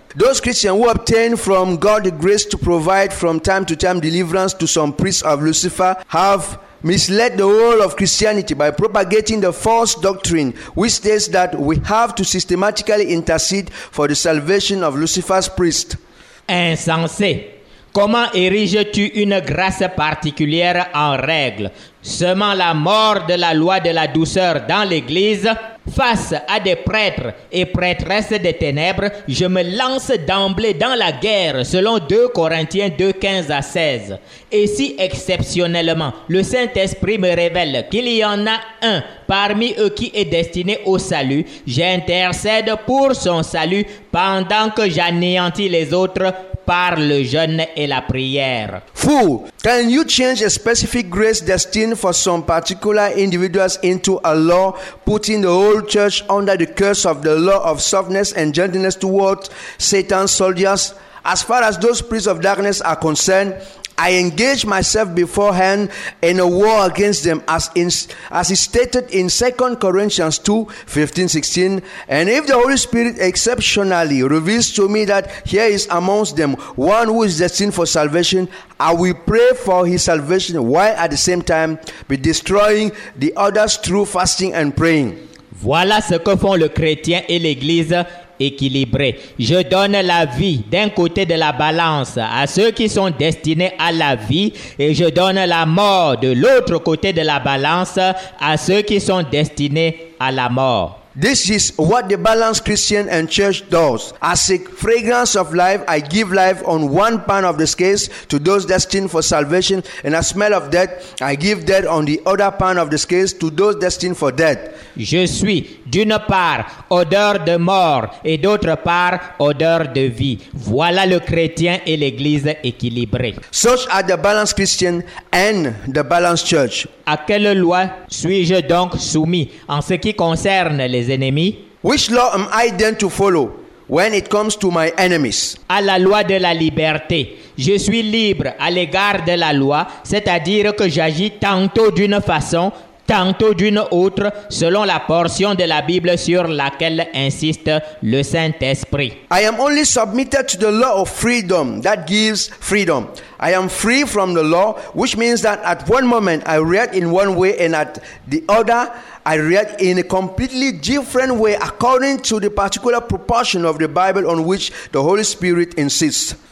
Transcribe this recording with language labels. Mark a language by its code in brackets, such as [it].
[en] Those Christians who obtain from God the grace to provide from time to time deliverance to some priests of Lucifer have misled the whole of Christianity by propagating the false doctrine which states that we have to systematically intercede for the salvation of Lucifer's priest. [fr] Insensé. Comment ériges-tu une grâce particulière en règle, semant la mort de la loi de la douceur dans l'Église? Face à des prêtres et prêtresses des ténèbres, je me lance d'emblée dans la guerre selon 2 Corinthiens 2, 15 à 16. Et si exceptionnellement le Saint-Esprit me révèle qu'il y en a un parmi eux qui est destiné au salut, j'intercède pour son salut pendant que j'anéantis les autres par le jeûne et la prière. [en] Fool, can you change a specific grace destined for some particular individuals into a law, putting the whole church under the curse of the law of softness and gentleness towards Satan's soldiers? As far as those priests of darkness are concerned, I engage myself beforehand in a war against them as is stated in 2 Corinthians 2, 15, 16. And if the Holy Spirit exceptionally reveals to me that here is amongst them one who is destined for salvation, I will pray for his salvation while at the same time be destroying the others through fasting and praying. [fr] Voilà ce que font le chrétien et l'église. Équilibré. Je donne la vie d'un côté de la balance à ceux qui sont destinés à la vie et je donne la mort de l'autre côté de la balance à ceux qui sont destinés à la mort. [en] This is what the balanced Christian and church does. As a fragrance of life, I give life on one pan of the scales to those destined for salvation, and a smell of death, I give death on the other pan of the scales to those destined for death. [fr] Je suis, d'une part, odeur de mort, et d'autre part, odeur de vie. Voilà le chrétien et l'église équilibrée. [en] Such are the balanced Christian and the balanced church. [fr] À quelle loi suis-je donc soumis en ce qui concerne les ennemis? [en] Which law am I then to follow when it comes to my enemies? [fr] À la loi de la liberté. Je suis libre à l'égard de la loi, c'est-à-dire que j'agis tantôt d'une façon, tantôt d'une autre, selon la portion de la Bible sur laquelle insiste le Saint-Esprit. [en] I am only submitted to the law of freedom that gives freedom. I am free from the law, which means that at one moment I react in one way and at the other I react in a completely different way according to the particular proportion of the Bible on which the Holy Spirit insists.